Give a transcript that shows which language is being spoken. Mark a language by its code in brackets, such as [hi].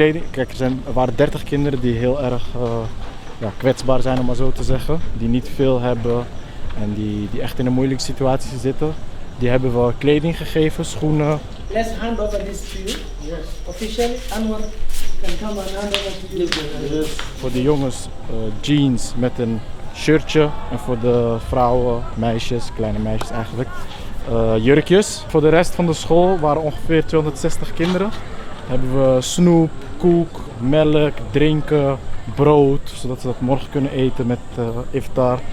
[nl] Kijk, er waren 30 kinderen die heel erg kwetsbaar zijn, om maar zo te zeggen. Die niet veel hebben en die echt in een moeilijke situatie zitten. Die hebben we kleding gegeven, schoenen. [en] Let's hand over this to you. Yes. Officially, Anwar can come and hand over to you. Yes. [nl] Voor de jongens jeans met een shirtje. En voor de vrouwen, meisjes, kleine meisjes eigenlijk. Jurkjes. Voor de rest van de school waren ongeveer 260 kinderen. Hebben we snoep, koek, melk, drinken, brood, zodat ze dat morgen kunnen eten met iftar.